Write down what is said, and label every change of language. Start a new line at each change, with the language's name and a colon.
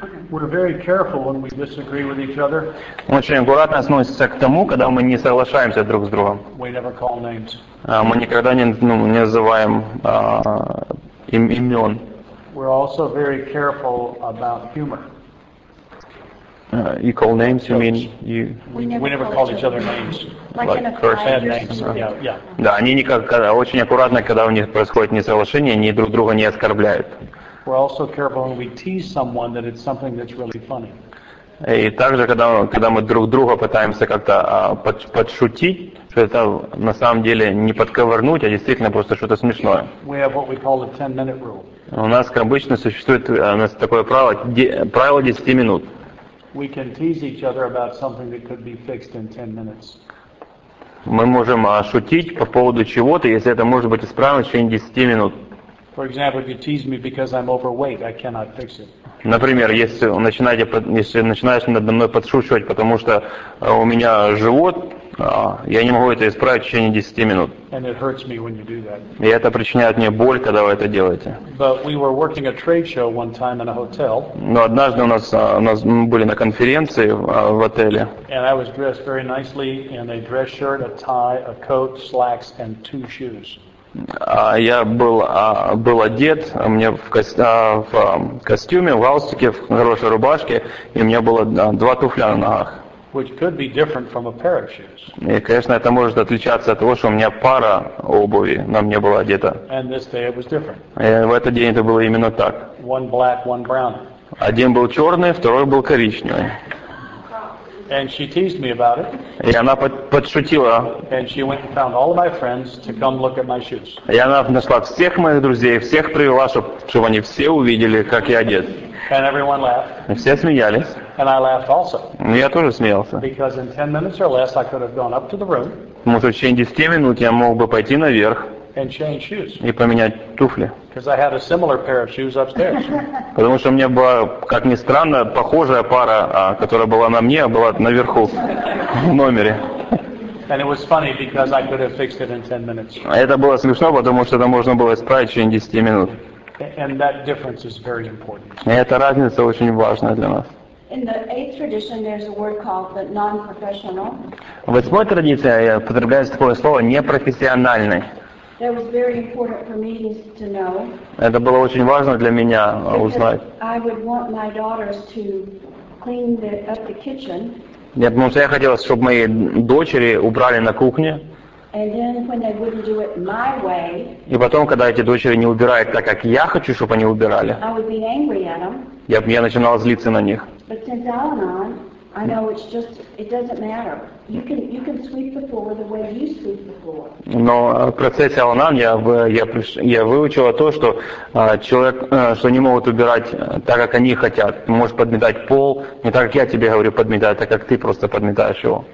English: We're very careful when we disagree with each other.
Russian: Мы очень аккуратно относимся к тому, когда мы не соглашаемся друг с другом.
English: We never call names.
Russian: Мы никогда не, ну, не называем имен.
English: We're also very careful about humor. You call names, you mean you... We never call each other names. Like curse bad names. Yeah.
Russian: Да, они очень аккуратно, когда у них происходит несоглашение, они друг друга не оскорбляют.
English: We're also careful when we tease someone that it's something that's really funny.
Russian: И также, когда мы друг друга пытаемся как-то подшутить, что это на самом деле не подковырнуть, а действительно просто что-то смешное.
English: We have what we call the 10-minute rule.
Russian: У нас, как обычно, существует такое правило 10 минут.
English: We can tease each other about something that could be fixed in 10 minutes.
Russian: Мы можем шутить по поводу чего-то, если это может быть исправлено в течение 10 минут.
English: For example, if you tease me because I'm overweight, I cannot fix it.
Russian: Например, если начинаешь надо мной подшучивать, потому что у меня живот, я не могу это исправить в течение 10 минут.
English: And it hurts me when you do that.
Russian: И это причиняет мне боль, когда вы это делаете.
English: But we were working a trade show one time in a hotel.
Russian: Но однажды у нас мы были на конференции в отеле.
English: And I was dressed very nicely in a dress shirt, a tie, a coat, slacks, and two shoes.
Russian: Я был одет, у меня в костюме, в галстуке, в хорошей рубашке, и у меня было два туфля на ногах.
English: Which could be different from a pair of shoes.
Russian: И, конечно, это может отличаться от того, что у меня пара обуви на мне была одета.
English: And this day it was different.
Russian: И в этот день это было именно так.
English: One black, one brown.
Russian: Один был черный, второй был коричневый.
English: And she teased me about it.
Russian: И она подшутила.
English: And she went and found all of my friends to come look at my shoes.
Russian: И она нашла всех моих друзей, всех привела, чтобы они все увидели, как я одет.
English: And everyone laughed.
Russian: И все смеялись.
English: And I laughed also.
Russian: И я тоже смеялся.
English: Because in 10 minutes or less I could have gone up to the room.
Russian: Потому что в течение 10 минут я мог бы пойти наверх.
English: And change shoes.
Russian: И поменять туфли.
English: Because I had a similar pair of shoes upstairs.
Russian: Потому что у меня была, как ни странно, похожая пара, которая была на мне, была наверху в номере.
English: And it was funny because I could have fixed it in 10 minutes.
Russian: Это было смешно, потому что это можно было исправить в течение 10 минут.
English: And that difference is very important.
Russian: И эта разница очень важна для нас.
English: In the eighth tradition, there's a word called the non-professional.
Russian: В восьмой традиции я употребляю такое слово непрофессиональный.
English: That was very important for me to know.
Russian: Это было очень важно для меня узнать.
English: I would want my daughters to clean up the kitchen.
Russian: Нет, потому что я хотел, чтобы мои дочери убрали на кухне.
English: And then when they wouldn't do it my way.
Russian: И потом, когда эти дочери не убирают так, как я хочу, чтобы они убирали.
English: I would be angry at them.
Russian: Я начинал злиться на них.
English: But since Al-Anon, I know it's just it doesn't matter. You can sweep the floor the way you sweep the floor.
Russian: Но в процессе Al-Anon я выучила то, что человек, что не могут убирать так, как они хотят. Можешь подметать пол не так, как я тебе говорю подметать, так как ты просто подметаешь его.